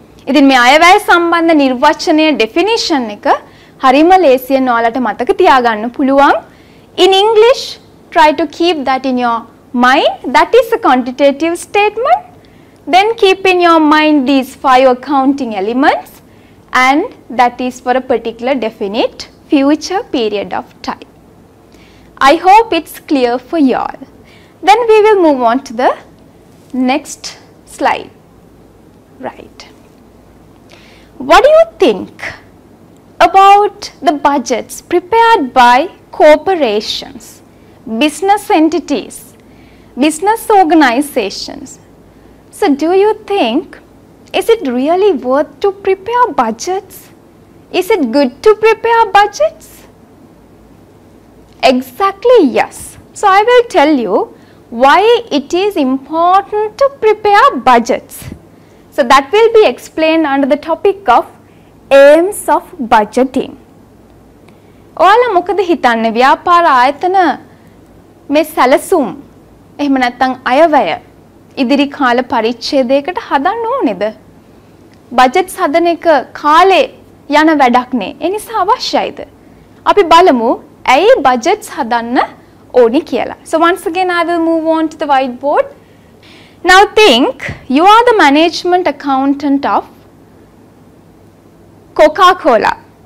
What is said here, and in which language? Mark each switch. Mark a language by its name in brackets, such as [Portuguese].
[Sinhala] ඉතින් මේ අයවැය සම්බන්ධ නිර්වචනය ඩෙෆිනිෂන් එක හරිම ලේසියෙන් ඔයාලට මතක තියාගන්න පුළුවන්. [English] In English, try to keep that in your mind. That is a quantitative statement. Then keep in your mind these five accounting elements, and that is for a particular definite future period of time. I hope it's clear for you all. Then we will move on to the next slide. Right. What do you think about the budgets prepared by corporations, business entities, business organizations? So do you think, is it really worth to prepare budgets? Is it good to prepare budgets? Exactly, yes. So I will tell you why it is important to prepare budgets. So that will be explained under the topic of aims of budgeting. [Sinhala] ඔයාලා මොකද හිතන්නේ ව්‍යාපාර ආයතන මේ සැලසුම් එහෙම නැත්නම් අයවැය ඉදිරි කාල පරිච්ඡේදයකට හදන්න ඕනේද? බජට් හදන එක කාලේ යන වැඩක් නේ. ඒ නිසා අවශ්‍යයිද? අපි බලමු ඇයි බජට් හදන්න [English] So once again, I will move on to the whiteboard. Now think, you are the management accountant of Coca-Cola.